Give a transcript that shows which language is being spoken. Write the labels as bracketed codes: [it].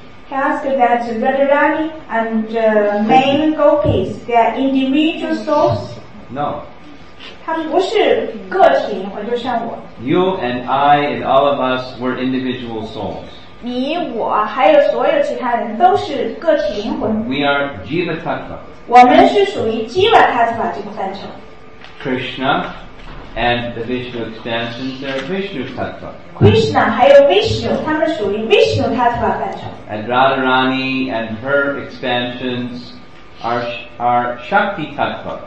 [en] He asked that Radharani and main gopis, they are individual souls. No. [zh] 他们不是个体灵魂，就像我。 [en] You and I and all of us were individual souls. [zh] 你我还有所有其他人都是个体灵魂。 [en] We are jiva tattva. [zh] 我们是属于 jiva tattva 这个范畴。 [en] Krishna and the Vishnu expansions, they are Vishnu tattva. [zh] Krishna 还有 Vishnu 他们属于 Vishnu Tattva 范畴 [en] and Radharani and her expansions are Shakti Tattva